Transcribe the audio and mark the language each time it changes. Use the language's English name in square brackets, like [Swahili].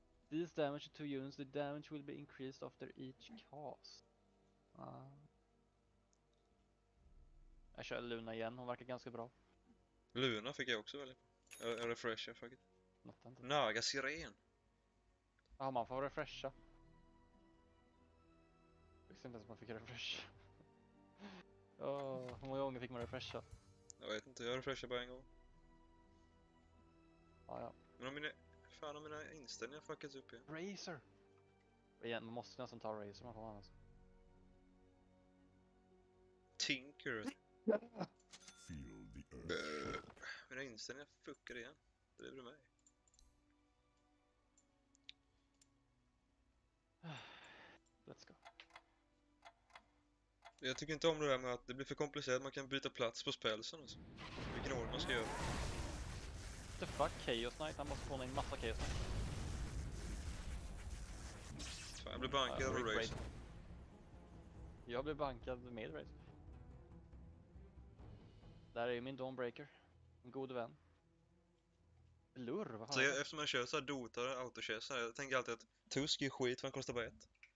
[English] These damage to units, the damage will be increased after each cast. [Swedish] Jag kör Luna igen, hon verkar ganska bra. Luna fick jag också väldigt bra. Jag refreshar faktiskt. Vänta. Naga Siren. Ja, man får refresha. Visst inte ens man fick refresha. Hur många gånger fick man refresha? Jag vet inte, jag refreshar bara en gång. Ja. Men om mina... Fan om mina inställningar fuckats upp igen. Razor! Igen, man måste nästan ta Razor, man får vara annars. [English] Tinker. Feel the earth. [Swedish] Mina inställningar fuckar igen. Det driver mig. [English] Let's go. [Swedish] Jag tycker inte om det där med att det blir för komplicerat, man kan byta plats på spelsen och så. Vilken ord man ska göra. [English] What the fuck, Chaos Knight? [Swedish] Han måste spåna in massa Chaos Knight. Fan, jag blev bankad av Razor. Jag blev bankad med Razor. Där är ju min Dawnbreaker. En god vän. Blur, vad har så jag? Eftersom jag kör såhär Dota, autochess, så här, jag tänker alltid att Tusk är skit, för han kostar bara ett.